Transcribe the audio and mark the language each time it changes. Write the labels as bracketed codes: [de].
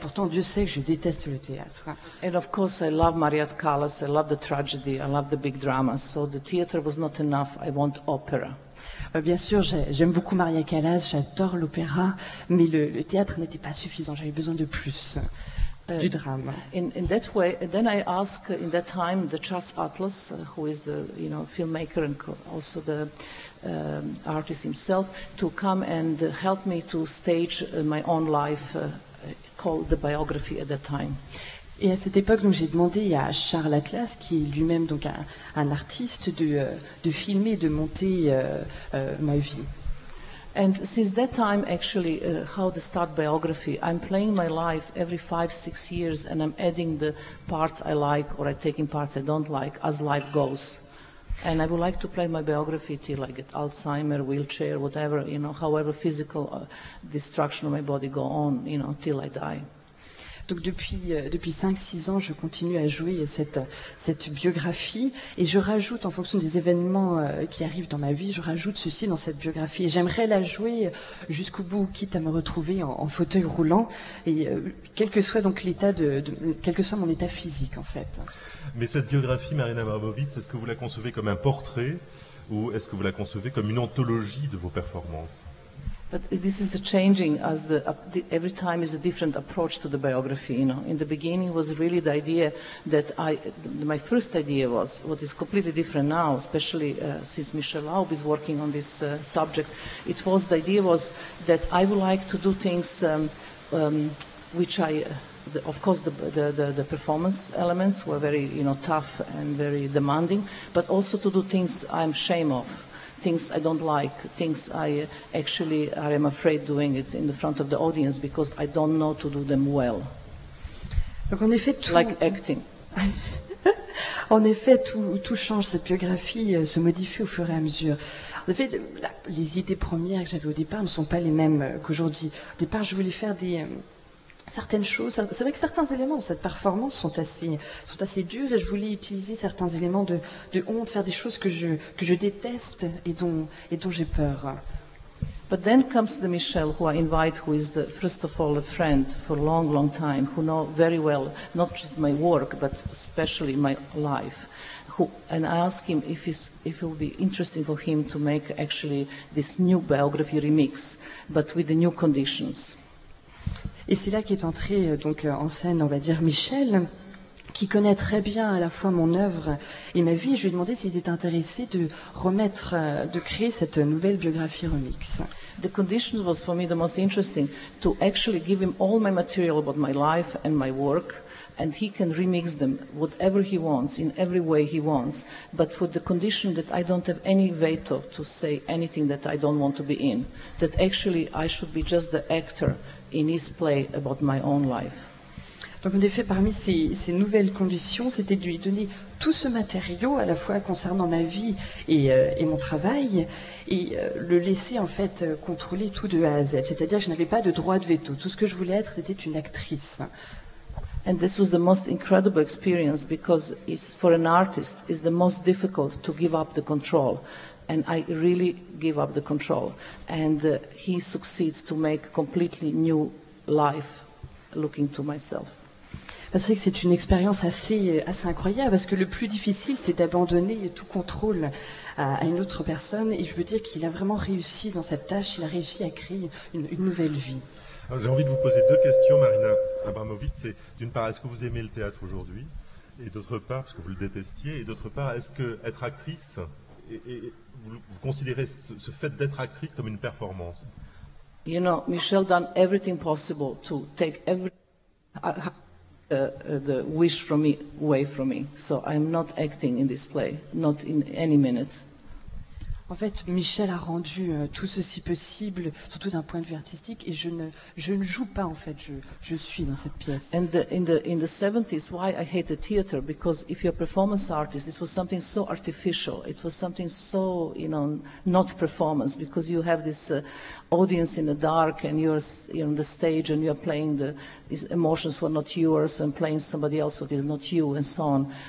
[fr] Et pourtant, Dieu sait que je déteste le théâtre. [en] And of course, I love Mariette Callas, I love the tragedy, I love the big drama. So the theater was not enough. I want opera. [fr] Bien sûr, j'aime beaucoup Maria Callas, j'adore l'opéra, mais le théâtre n'était pas suffisant, j'avais besoin de plus, du drame. [en] In that way, then I ask in that time the Charles Atlas, who is the filmmaker and also the artist himself, to come and help me to stage my own life called the biography at that time. [fr] Et à cette époque, donc, j'ai demandé à Charles Atlas, qui est lui-même donc un artiste, de filmer, de monter ma vie. [en] And since that time, actually, how to start biography, I'm playing my life every 5-6 years, and I'm adding the parts I like or I'm taking parts I don't like as life goes. And I would like to play my biography till I get Alzheimer, wheelchair, whatever, you know, however physical destruction of my body go on, you know, till I die. [fr] Donc depuis 5-6 ans, je continue à jouer cette biographie et je rajoute, en fonction des événements qui arrivent dans ma vie, je rajoute ceci dans cette biographie. Et j'aimerais la jouer jusqu'au bout, quitte à me retrouver en fauteuil roulant, et quel que soit donc l'état quel que soit mon état physique, en fait. Mais cette biographie, Marina Abramovic, est-ce que vous la concevez comme un portrait ou est-ce que vous la concevez comme une anthologie de vos performances? [en] But this is changing as the every time is a different approach to the biography. You know, in the beginning was really the idea that my first idea was what is completely different now, especially since Michel Laub is working on this subject. It was the idea was that I would like to do things which I, of course, the performance elements were very, you know, tough and very demanding, but also to do things I'm ashamed of. Things I don't like, things I actually I am afraid doing it in the front of the audience because I don't know to do them well. [fr] Donc en effet, tout... [en] Like acting. [fr] En effet, tout change, cette biographie se modifie au fur et à mesure. En effet, les idées premières que j'avais au départ ne sont pas les mêmes qu'aujourd'hui. Au départ, je voulais faire certaines choses. C'est vrai que certains éléments de cette performance sont assez durs et je voulais utiliser certains éléments de honte, faire des choses que je déteste et dont j'ai peur. [en] But then comes the Michel, who I invite, who is the first of all a friend for a long, long time, who know very well not just my work but especially my life. And I ask him if it would be interesting for him to make actually this new biography remix, but with the new conditions. [fr] Et c'est là qu'est entré donc en scène, on va dire, Michel, qui connaît très bien à la fois mon œuvre et ma vie. Je lui ai demandé s'il était intéressé de créer cette nouvelle biographie remix. [en] The condition was for me the most interesting to actually give him all my material about my life and my work, and he can remix them whatever he wants in every way he wants, but for the condition that I don't have any veto to say anything that I don't want to be in, that actually I should be just the actor. In his play about my own life. [fr] Donc en effet, parmi ces nouvelles conditions, c'était de lui donner tout ce matériau à la fois concernant ma vie et mon travail et le laisser en fait contrôler tout de A à Z. C'est-à-dire que je n'avais pas de droit de veto. Tout ce que je voulais être, c'était une actrice. [en] And this was the most incredible experience because it's for an artist is the most difficult to give up the control. And I really give up the control. And he succeeds to make a completely new life looking to myself. [fr] C'est vrai que c'est une expérience assez incroyable parce que le plus difficile, c'est d'abandonner tout contrôle à une autre personne. Et je veux dire qu'il a vraiment réussi dans cette tâche. Il a réussi à créer une nouvelle vie. Alors, j'ai envie de vous poser deux questions, Marina Abramovic. C'est d'une part, est-ce que vous aimez le théâtre aujourd'hui? Et d'autre part, parce que vous le détestiez. Et d'autre part, est-ce que être actrice... Et vous considérez ce fait d'être actrice comme une performance? [en] You know, Michel done everything possible to take every the wish from me away from me. So I'm not acting in this play, not in any minute. [fr] En fait, Michel a rendu tout ceci possible, surtout d'un point de vue artistique, et je ne joue pas, en fait, je suis dans cette pièce. [en] And in the 70s, why I hate the theater, because if you're a performance artist, this was something so artificial, it was something so, you know, not performance, because you have this audience in the dark, and you're on the stage, and you're playing these emotions were not yours, and playing somebody else who is not you, and so on.